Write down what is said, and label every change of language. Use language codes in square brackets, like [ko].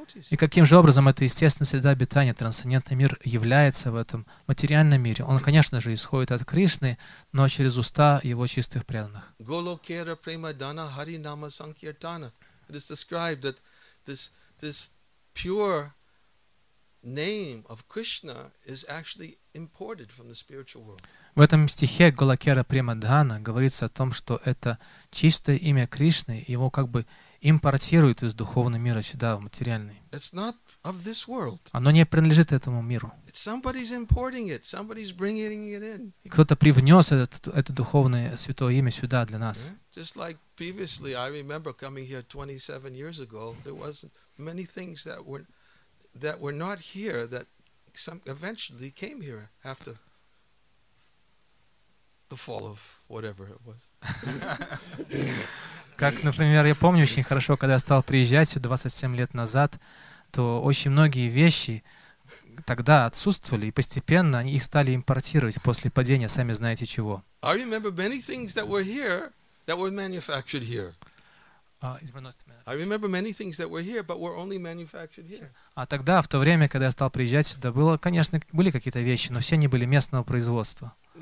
[ru] И каким же образом эта естественная среда обитания, трансцендентный мир, является в этом материальном мире? Он, конечно же, исходит от Кришны, но через уста его чистых преданных. [bn] Голокера премадана хари нама санкиртана. [en] It is described that this pure name of Krishna is actually imported from the spiritual world. [ru] В этом стихе Голокера премадана говорится о том, что это чистое имя Кришны, его как бы импортирует из духовного мира сюда, в материальный. [en] It's not of this world. [ru] Оно не принадлежит этому миру. [en] It's somebody's importing it. Somebody's bringing it in. [ru] И кто-то привнес это духовное святое имя сюда для нас. [en] Just like previously, I remember coming here 27 years ago, there wasn't many things that were not here that some eventually came here after the fall of whatever it was. [ru] Как, например, я помню очень хорошо, когда я стал приезжать 27 лет назад, то очень многие вещи тогда отсутствовали, и постепенно они их стали импортировать после падения, сами знаете чего. А тогда, в то время, когда я стал приезжать сюда, было, конечно, были какие-то вещи, но все они были местного производства.